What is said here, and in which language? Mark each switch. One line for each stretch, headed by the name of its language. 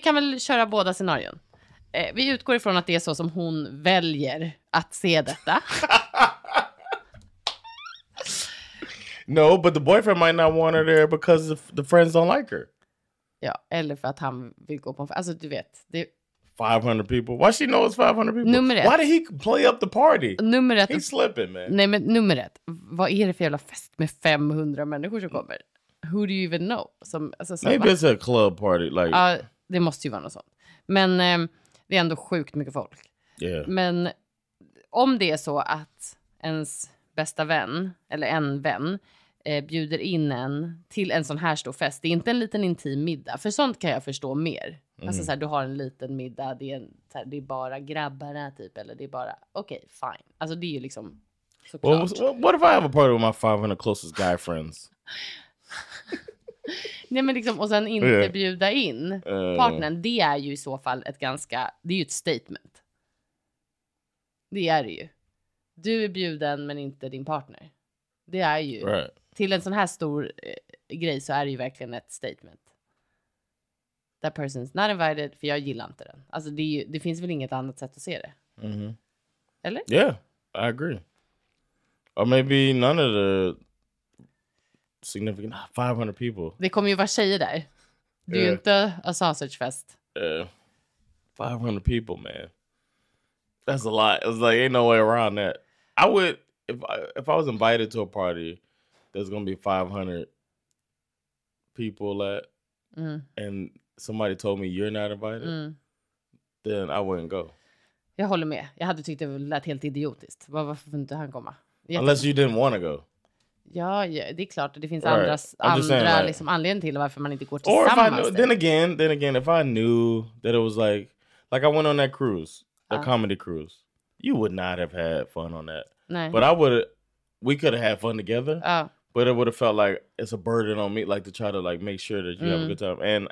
Swedish: kan väl köra båda scenarion. Vi utgår ifrån att det är så som hon väljer att se detta.
English: No, but the boyfriend might not want her there because the friends don't like her.
Swedish: Ja, eller för att han vill gå på en... Alltså, du vet. Det...
English: 500 people. Why she knows 500 people?
Swedish: Nummer ett.
English: Why did he play up the party?
Swedish: Nummer ett.
English: He's slipping, man.
Swedish: Nej, men nummer ett. Vad är det för jävla fest med 500 människor som kommer?
English: Who do you even know?
Swedish: Som, alltså, så
English: maybe
Swedish: bara...
English: it's a club party. Like...
Swedish: Det måste ju vara något sånt. Men... det är ändå sjukt mycket folk.
English: Yeah.
Swedish: Men om det är så att ens bästa vän, eller en vän, bjuder in en till en sån här stor fest. Det är inte en liten intim middag. För sånt kan jag förstå mer. Mm. Alltså så här, du har en liten middag. Det är, en, så här, det är bara grabbarna typ. Eller det är bara, okej, okay, fine. Alltså det är ju liksom såklart.
English: Well, what if I have a party with my 500 closest guy friends?
Swedish: Nej, men liksom, och sen inte bjuda in partnern, det är ju i så fall ett ganska, det är ju ett statement. Det är det ju. Du är bjuden men inte din partner. Det är ju till en sån här stor grej, så är det ju verkligen ett statement.
English: That person's not invited,
Swedish: för jag gillar inte den. Alltså det, är ju, det finns väl inget annat sätt att se det. Mm-hmm. Eller?
English: Yeah, I agree. Or maybe none of the significant 500 people.
Swedish: Det kommer ju vara tjejer där. Det är ju inte
English: a sausage fest. 500 people, man. That's a lot. It's like, ain't no way around that. I would, if I was invited to a party, there's gonna be 500 people at, and somebody told me you're not invited, then I wouldn't go.
Swedish: Jag håller med. Jag hade tyckt det lät helt idiotiskt. Varför inte han komma?
English: Unless you didn't want to go.
Swedish: Ja, ja, det är klart. Det finns andra liksom anledningar till varför man inte går tillsammans.
English: Or if I knew, then again, if I knew that it was like I went on that cruise, the comedy cruise, you would not have had fun on that.
Swedish: Nej.
English: But I would, we could have had fun together. But it would have felt like it's a burden on me, like to try to like make sure that you have a good time.